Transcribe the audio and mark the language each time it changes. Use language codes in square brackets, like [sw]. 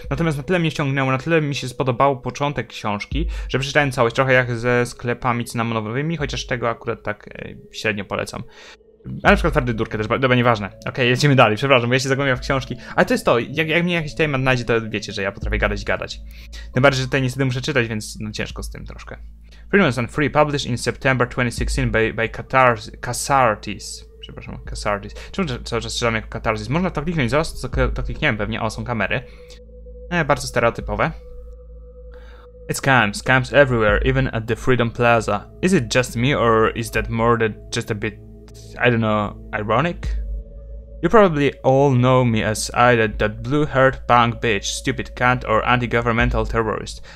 [pl] Natomiast na tyle mnie ściągnęło, na tyle mi się spodobał początek książki, że przeczytałem całość, trochę jak ze sklepami cynamonowymi, chociaż tego akurat tak średnio polecam. Ale na przykład twardy durkę też, dobra, nieważne. Okej, okay, jedziemy dalej, przepraszam, bo ja się zagłębiam w książki. Ale to jest to, jak mnie jakiś temat znajdzie, to wiecie, że ja potrafię gadać i gadać. Tym bardziej, że tutaj niestety muszę czytać, więc no ciężko z tym troszkę. [en] Freedom Sun Free, published in September 2016 by Catharsis. [pl] Przepraszam, Catharsis. Czemu cały czas czytam jako Catharsis? Można to kliknąć, zaraz to klikniemy pewnie. O, są kamery. Bardzo stereotypowe. [en] It's scams, scams everywhere, even at the Freedom Plaza. Is it just me, or is that more than just a bit, I don't know, ironic? You probably all know me as either that blue-haired punk bitch, stupid cunt, or anti-governmental terrorist.